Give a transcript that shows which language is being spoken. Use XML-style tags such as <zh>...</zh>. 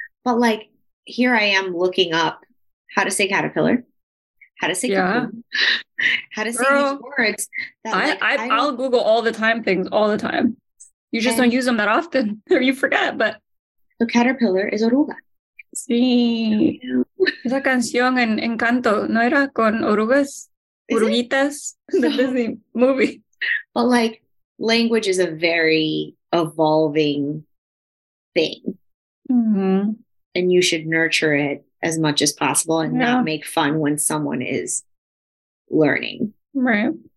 <en>But like, here I am looking up how to say caterpillar, how to say, how to say these words. That, I'll Google all the time things all the time. You just don't use them that often or you forget, but. So caterpillar is oruga.</en> <es>Sí. Esa canción en Encanto, ¿no era con orugas?</es> <en>Uruguitas, the Disney movie. But like language is a very evolving thing. Mm-hmm. And you should nurture it as much as possible and not make fun when someone is learning. Right.</en>